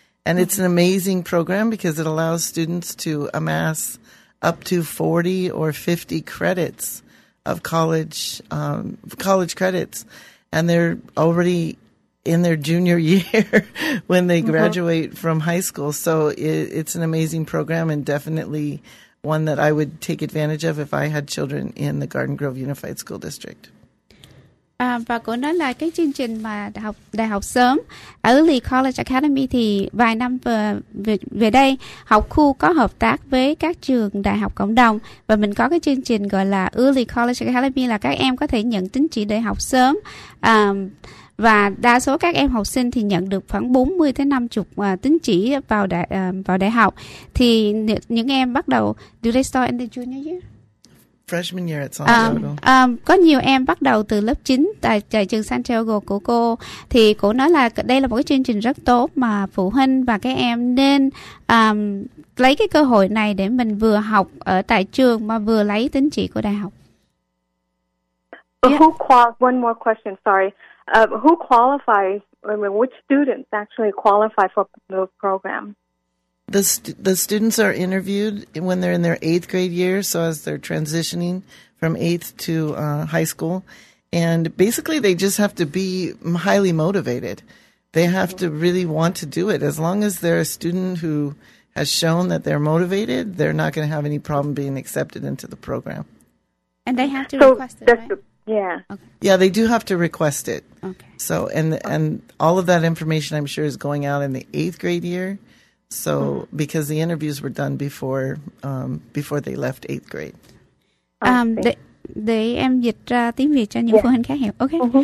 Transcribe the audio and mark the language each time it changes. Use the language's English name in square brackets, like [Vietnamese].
[English] And it's an amazing program because it allows students to amass up to 40 or 50 credits of college credits. And they're already in their junior year when they graduate from high school. So it's an amazing program and definitely one that I would take advantage of if I had children in the Garden Grove Unified School District. [Vietnamese] Và cô nói là cái chương trình mà đại học sớm, Early College Academy, thì vài năm về đây, học khu có hợp tác với các trường đại học cộng đồng và mình có cái chương trình gọi là Early College Academy, là các em có thể nhận tín chỉ đại học sớm. Và đa số các em học sinh thì nhận được khoảng 40 tới 50 tín chỉ vào đại học. Thì những em bắt đầu, [English] do they start in the junior year? Freshman year at Santiago. [Vietnamese] Có nhiều em bắt đầu từ lớp 9 tại trường Santiago của cô. Thì cô nói là đây là một cái chương trình rất tốt mà phụ huynh và các em nên lấy cái cơ hội này để mình vừa học ở tại trường mà vừa lấy tín chỉ của đại học. [English] One more question, sorry. Who qualifies, I mean, which students actually qualify for the program? The students are interviewed when they're in their eighth grade year, so as they're transitioning from eighth to high school. And basically, they just have to be highly motivated. They have to really want to do it. As long as they're a student who has shown that they're motivated, they're not going to have any problem being accepted into the program. And they have to request it, right? Yeah. Okay. Yeah, they do have to request it. Okay. So, and all of that information, I'm sure, is going out in the eighth grade year. So because the interviews were done before before they left eighth grade. [Vietnamese] Để em dịch ra tiếng Việt cho những phụ huynh khác hiểu. Okay.